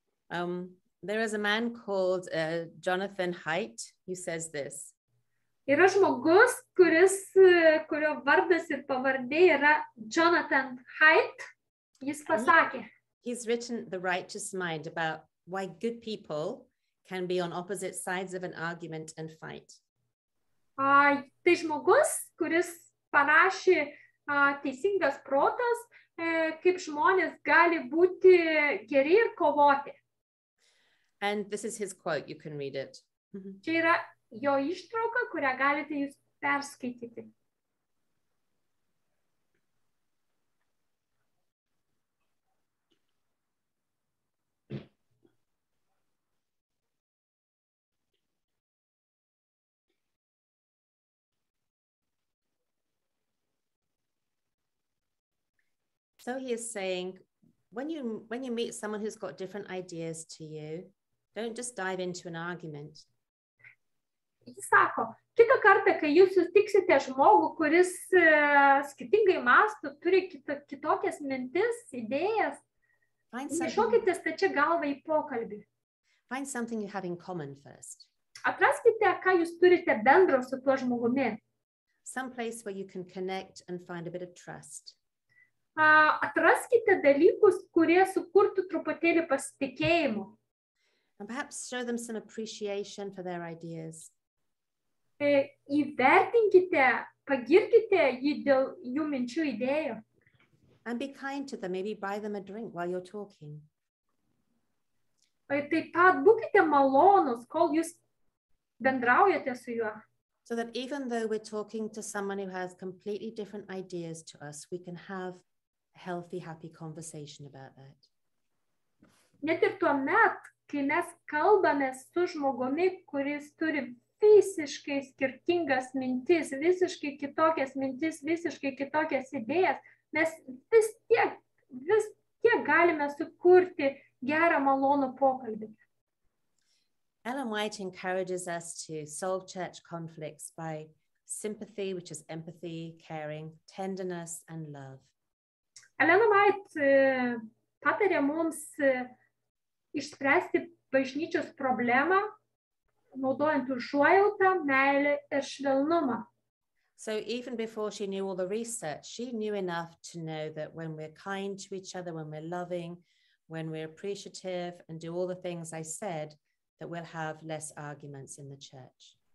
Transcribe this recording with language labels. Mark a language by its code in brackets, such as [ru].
[en] There is a man called Jonathan Haidt who says this. [lt] Yra žmogus, kurio vardas ir pavardė yra Jonathan Haidt. Jis pasakė. [en] He's written The Righteous Mind about why good people can be on opposite sides of an argument and fight. [lt] Tai žmogus, kuris parašė Teisingas protas, kaip žmonės gali būti geri ir kovoti. [en] And this is his quote, you can read it. [lt] Čia yra jo ištrauka, kurią galite jūs perskaityti. [en] So he is saying, when you meet someone who's got different ideas to you, don't just dive into an argument. [lt] Jis sako, kitą kartą, kai jūs sutiksite žmogų, kuris skirtingai mąsto, turi kitokias mintis, idėjas. [en] Find [lt] Nešokite stačia galvą į pokalbį. [en] Find something you have in common first. [lt] Atraskite, ką jūs turite bendro su tuo žmogumi. [en] Some place where you can connect and find a bit of trust. [lt] Atraskite dalykus, kurie sukurtų truputėlį pasitikėjimo. [en] And perhaps show them some appreciation for their ideas. [lt] Įvertinkite, pagirkite jį dėl jų minčių idėjų. [en] And be kind to them, maybe buy them a drink while you're talking. [lt] Taip pat būkite malonus, kol jūs bendraujate su juo. [en] So that even though we're talking to someone who has completely different ideas to us, we can have a healthy, happy conversation about that. [lt] Net ir tuo met, kai mes kalbame su žmogumi, kuris turi visiškai skirtingas mintis, visiškai kitokias mintis, visiškai kitokias idėjas, mes vis tiek galime sukurti gerą malonų pokalbį. [en] Ellen White encourages us to solve church conflicts by sympathy, which is empathy, caring, tenderness and love. [lt] Ellen White patarė mums išspręsti bažnyčios problemą naudojant užuojautą, meilę ir švelnumą. [en] So even before she knew all the research, she knew enough to know that when we're kind to each other, when we're loving, when we're appreciative and do all the things I said, that we'll have less arguments in the church.